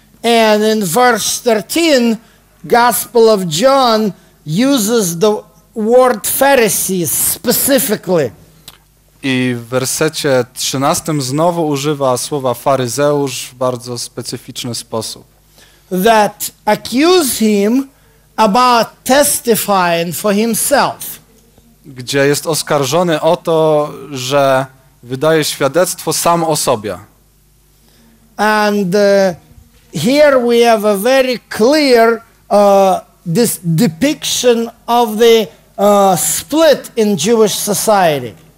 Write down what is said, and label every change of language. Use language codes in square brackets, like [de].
[en] And in verse 13, Gospel of John uses the word Pharisees specifically. [pl] I w wersecie 13 znowu używa słowa faryzeusz w bardzo specyficzny sposób. [en] That accuse him about testifying for himself. [pl] Gdzie jest oskarżony o to, że wydaje świadectwo sam o sobie. [en] And here we have a very clear this depiction of the split in Jewish society.